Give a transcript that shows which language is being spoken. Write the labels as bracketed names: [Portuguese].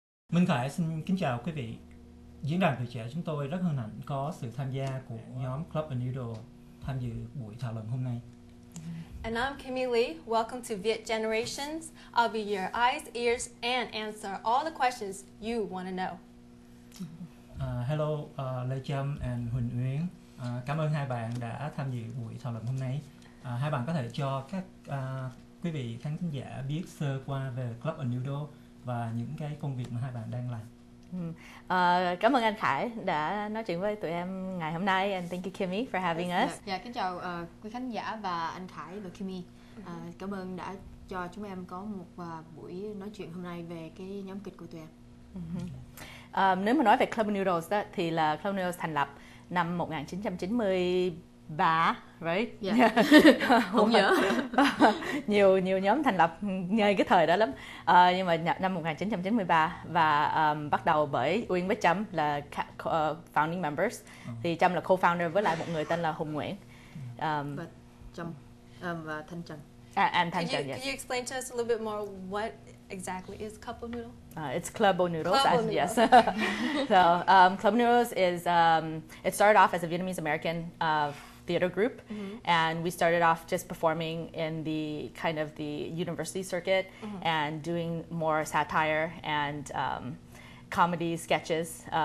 [Vietnamese] Minh Khải xin kính chào quý vị. Diễn đàn tuổi trẻ chúng tôi rất hân hạnh có sự tham gia của nhóm Club A Noodle tham dự buổi thảo luận hôm nay. [English] And I'm Kimmy Lee. Welcome to Viet Generations. I'll be your eyes, ears, and answer all the questions you want to know. Hello, Lê Trâm and Huỳnh Uyến. [Vietnamese] Cảm ơn hai bạn đã tham dự buổi thảo luận hôm nay. Hai bạn có thể cho các quý vị khán thính giả biết sơ qua về Club A Noodle và những cái công việc mà hai bạn đang làm. Cảm ơn anh Khải đã nói chuyện với tụi em ngày hôm nay. [English] And thank you Kimmy for having us. [Vietnamese] Dạ, kính chào quý khán giả và anh Khải và Kimmy. Cảm ơn đã cho chúng em có một buổi nói chuyện hôm nay về cái nhóm kịch của tụi em. Nếu mà nói về Club Noodles đó, thì là Club Noodles thành lập năm 1993, [English] right? [Vietnamese] Yeah. Không nhớ. nhiều nhóm thành lập ngay cái thời đó lắm. Nhưng mà năm 1993 và bắt đầu bởi Uyên với Trâm là founding members. Thì Trâm là co-founder với lại một người tên là Hùng Nguyễn. Và Thanh Trần. [English] And Thanh Trần. Can you explain to us a little bit more what exactly is Club O Noodle? It's Club O Noodles. Club O Noodle. Yes. So Club Noodles is it started off as a Vietnamese American theater group, and we started off just performing in the kind of the university circuit and doing more satire and comedy sketches